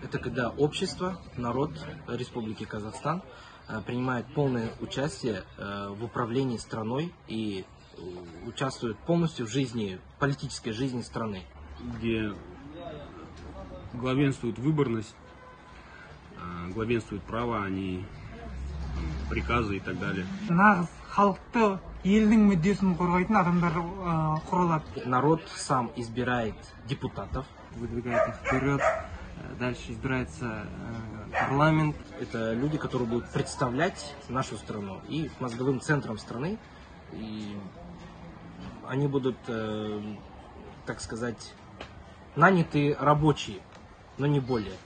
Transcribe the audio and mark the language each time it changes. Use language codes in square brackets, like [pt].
[ru] Это когда общество, народ Республики Казахстан принимает полное участие в управлении страной и участвует полностью в жизни, политической жизни страны. Где главенствует выборность, главенствуют права, а не приказы и так далее. [kk] Нағыз халықты, елдің мүддесін қорғайтын адамдар құрылады. [ru] Народ сам избирает депутатов. Выдвигает их вперед. Дальше избирается парламент. Это люди, которые будут представлять нашу страну и мозговым центром страны. И они будут, так сказать, наняты рабочие, но не более.